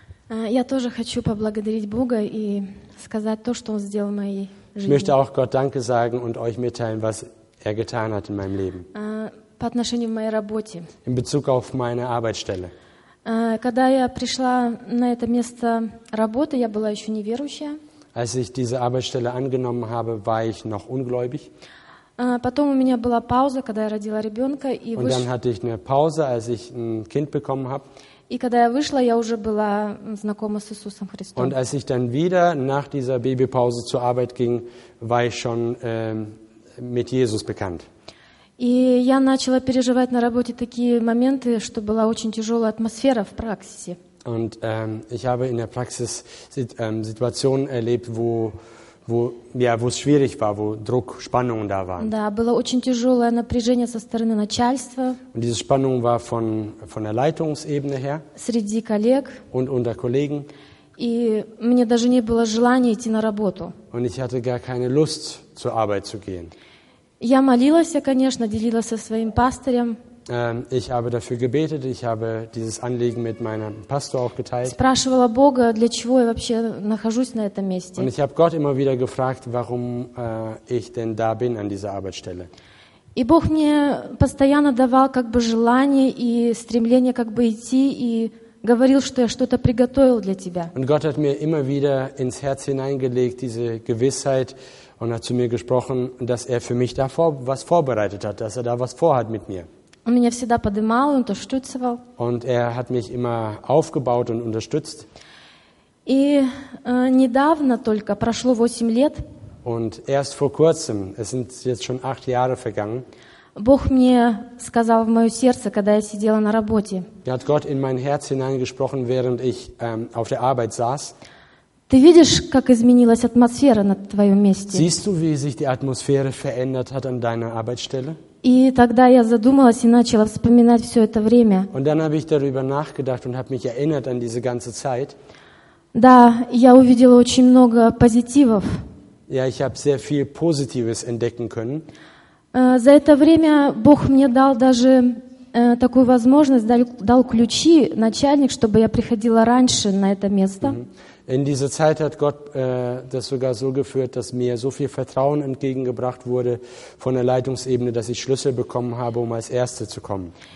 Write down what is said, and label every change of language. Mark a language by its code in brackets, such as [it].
[ru] Я тоже хочу поблагодарить Бога и сказать то, что он сделал в моей жизни. [de] Ich möchte auch Gott Danke sagen und euch mitteilen, was er getan hat in meinem Leben. [ru] По отношению к моей работе. [de] In Bezug auf meine Arbeitsstelle. [ru] Когда я пришла на это место работы, я была еще неверующая. [de] Als ich diese Arbeitsstelle angenommen habe, war ich noch ungläubig. [ru] Потом у меня была пауза, когда я родила ребенка. [de] И und dann hatte ich eine Pause, als ich ein Kind bekommen habe. [ru] И когда я вышла, я уже была знакома с Иисусом Христом. [de] Und als ich dann wieder nach dieser Babypause zur Arbeit ging, war ich schon mit Jesus bekannt. [ru] И я начала переживать на работе такие моменты, что была очень тяжелая атмосфера в практике. [de] Und ich habe in der Praxis Situationen erlebt, wo es schwierig war, wo Druck, Spannung da war. [ru] Да, было очень тяжелое напряжение со стороны начальства. [de] Und diese Spannung war von der Leitungsebene her. [ru] Среди коллег. [de] Und unter Kollegen. [ru] И мне даже не было желания идти на работу. [de] Und ich hatte gar keine Lust, zur Arbeit zu gehen. [ru] Я молилась, конечно, делилась со своим пастором. [de] Ich habe dafür gebetet, ich habe dieses Anliegen mit meinem Pastor auch geteilt. [ru] Спрашивала Бога, для чего я вообще нахожусь на этом месте. [de] Und ich habe Gott immer wieder gefragt, warum ich denn da bin an dieser Arbeitsstelle. [ru] И Бог мне постоянно давал как бы желание и стремление как бы идти и говорил, что я что-то приготовил для тебя. [de] Und Gott hat mir immer wieder ins Herz hineingelegt diese Gewissheit und hat zu mir gesprochen, dass er für mich da was vorbereitet hat, dass er da was vorhat mit mir. [ru] Он меня всегда поднимал и [de] unterstützt. Und er hat mich immer aufgebaut und unterstützt. [ru] И недавно только прошло 8 лет. [de] Und erst vor kurzem, es sind jetzt schon 8 Jahre vergangen. [ru] Бог мне сказал в мое сердце, когда я сидела на работе. [de] Hat Gott in mein Herz hineingesprochen, während ich auf der Arbeit saß. [ru] Ты видишь, как изменилась атмосфера на твоем месте? [de] Siehst du, wie sich die Atmosphäre verändert hat an deiner Arbeitsstelle? [ru] И тогда я задумалась и начала вспоминать все это время. [de] Und dann habe ich darüber nachgedacht und habe mich erinnert an diese ganze Zeit. [ru] Да, я увидела очень много позитивов. [de] Ja, ich habe sehr viel Positives entdecken können. [ru] За это время Бог мне дал даже такую возможность, дал ключи начальник, чтобы я приходила раньше на это место. [de] In dieser Zeit hat Gott das sogar so geführt, dass mir so viel Vertrauen entgegengebracht wurde von der Leitungsebene, dass ich Schlüssel bekommen habe, um als Erste zu kommen.